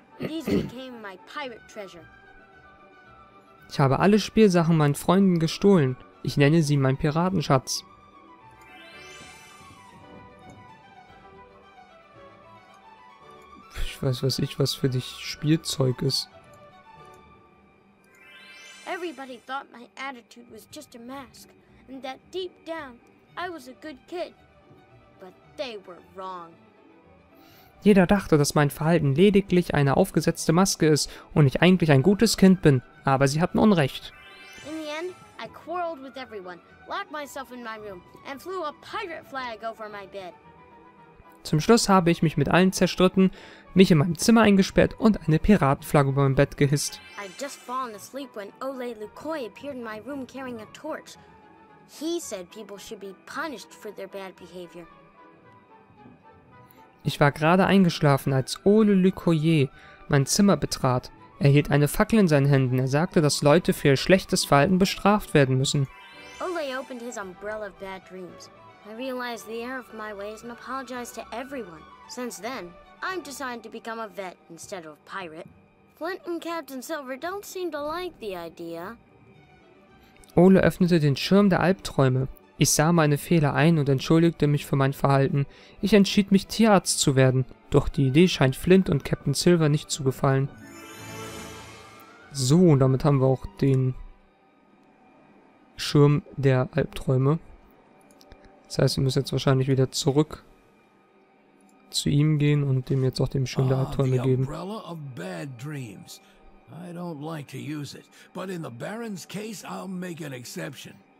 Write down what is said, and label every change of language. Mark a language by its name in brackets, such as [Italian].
[English] These became my pirate treasure. [German] Ich habe alle Spielsachen meinen Freunden gestohlen. Ich nenne sie mein Piratenschatz. Ich weiß ich, was für dich Spielzeug ist. [English] Everybody thought my attitude was just a mask and that deep down I was a good kid. But they were wrong. [German] Jeder dachte, dass mein Verhalten lediglich eine aufgesetzte Maske ist und ich eigentlich ein gutes Kind bin, aber sie hatten Unrecht. [English] In the end, I quarreled with everyone, locked myself in my room and flew a pirate flag over my bed. [German] Zum Schluss habe ich mich mit allen zerstritten, mich in meinem Zimmer eingesperrt und eine Piratenflagge über mein Bett gehisst. [English] I'd just fallen asleep when Ole Lukoi appeared in my room carrying a torch. He said people should be punished for their bad behavior. [German] Ich war gerade eingeschlafen, als Ole Lukoyer mein Zimmer betrat. Er hielt eine Fackel in seinen Händen. Er sagte, dass Leute für ihr schlechtes Verhalten bestraft werden müssen. [English] Ole opened his umbrella of bad dreams. I realized the error of my ways and apologized to everyone. Since then, I'm decided to become a vet instead of a pirate. Flint and Captain Silver don't seem to like the idea. [German] Ole öffnete den Schirm der Albträume. Ich sah meine Fehler ein und entschuldigte mich für mein Verhalten. Ich entschied mich, Tierarzt zu werden. Doch die Idee scheint Flint und Captain Silver nicht zu gefallen. So, und damit haben wir auch den Schirm der Albträume. Das heißt, wir müssen jetzt wahrscheinlich wieder zurück zu ihm gehen und dem jetzt auch den Schirm der Albträume geben. [English] The umbrella of bad dreams. I don't like to use it, but in the Baron's case, I'll make an exception.